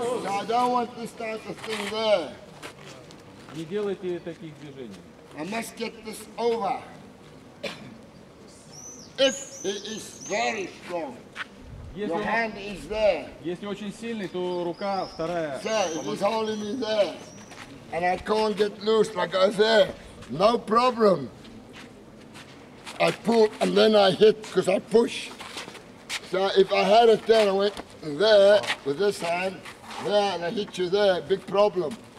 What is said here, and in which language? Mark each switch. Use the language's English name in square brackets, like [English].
[English] I don't want this type of thing there. [Russian] Не делайте таких движений. [English] I must get this over. If he is very strong, [Russian] если [English] your hand is there. [Russian] Если очень сильный, то рука вторая. [English] If he's holding me there, and I can't get loose, like I say, no problem. I pull, and then I hit, because I push. So if I had it there, I went there with this hand, there, and I hit you there, big problem.